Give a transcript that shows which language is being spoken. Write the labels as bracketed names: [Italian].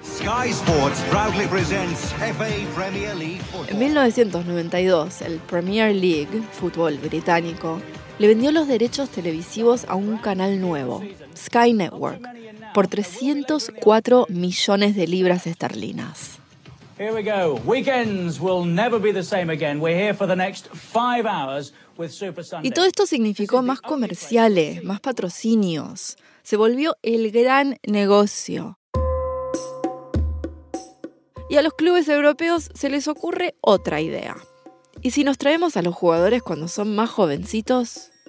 [English] Sky Sports proudly presents FA Premier League Football. [Spanish] En 1992, el Premier League, fútbol británico, le vendió los derechos televisivos a un canal nuevo, Sky Network, por 304 millones de libras esterlinas. [English] Here we go. Weekends will never be the same again. We're here for the next 5 hours with Super Sunday. [Spanish] Y todo esto significó más comerciales, más patrocinios. Se volvió el gran negocio. Y a los clubes europeos se les ocurre otra idea. ¿Y si nos traemos a los jugadores cuando son más jovencitos?